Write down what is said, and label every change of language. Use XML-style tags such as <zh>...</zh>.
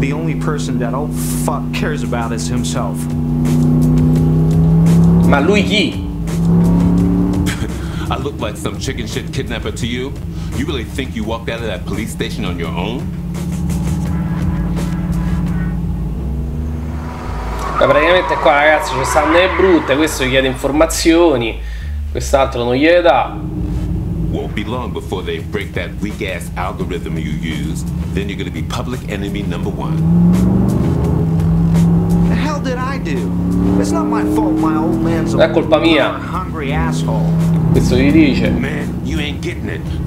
<en>The only person that old fuck cares about is himself.</en> <it>Ma lui chi?</it> <en>I look like some chicken shit kidnapper to you? You really think you walked out of that police station on your own?</en> <it>Ma praticamente qua, ragazzi, ci stanno le brutte, questo gli chiede informazioni, quest'altro non gliele dà.</it> <en>Won't be long before they break that weak ass algorithm you used. Then you're gonna be public enemy number one. The hell did I do? It's not my fault my old man's a hungry asshole.</en> <it>questo gli dice.</it> <en>Man, you ain't getting it.</en>